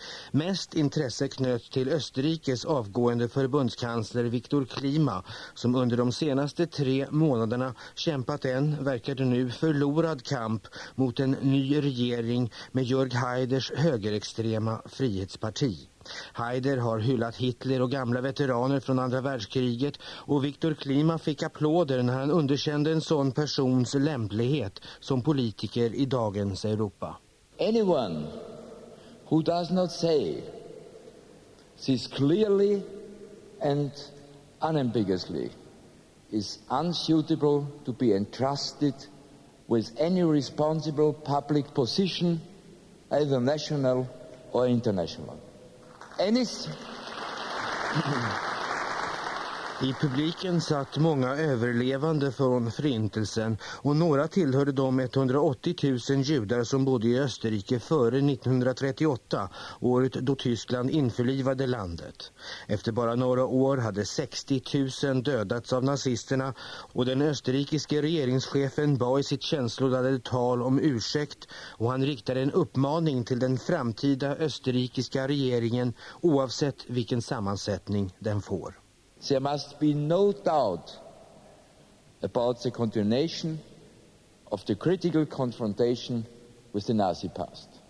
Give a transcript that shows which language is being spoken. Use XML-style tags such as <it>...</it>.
<sv>Mest intresse knöt till Österrikes avgående förbundskansler Viktor Klima, som under de senaste 3 månaderna kämpat en, verkade nu, förlorad kamp mot en ny regering med Jörg Haiders högerextrema frihetsparti. Haider har hyllat Hitler och gamla veteraner från andra världskriget, och Viktor Klima fick applåder när han underkände en sån persons lämplighet som politiker i dagens Europa.</sv> <en>Anyone who does not say this clearly and unambiguously is unsuitable to be entrusted with any responsible public position, either national or international.</en> <sv>I publiken satt många överlevande från förintelsen, och några tillhörde de 180 000 judar som bodde i Österrike före 1938, året då Tyskland införlivade landet. Efter bara några år hade 60 000 dödats av nazisterna, och den österrikiske regeringschefen bad i sitt känsloladdade tal om ursäkt, och han riktade en uppmaning till den framtida österrikiska regeringen, oavsett vilken sammansättning den får.</sv> <en>There must be no doubt about the continuation of the critical confrontation with the Nazi past.</en>